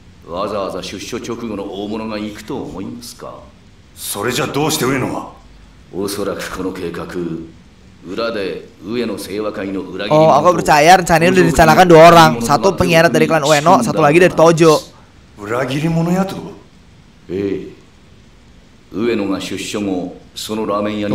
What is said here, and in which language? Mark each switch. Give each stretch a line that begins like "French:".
Japanese: わざわざ出所直後の大物が行くと思いますか。それじゃどうして上野は。おそらくこの計画裏で上野清和会の裏切り者。
Indonesian: Oh, aku percaya rencana ini direncanakan dua orang, satu pengkhianat dari klan Ueno, satu lagi dari Tōjō.
Japanese: 裏切り者やと。ええ。上野が出所後そのラーメン屋に。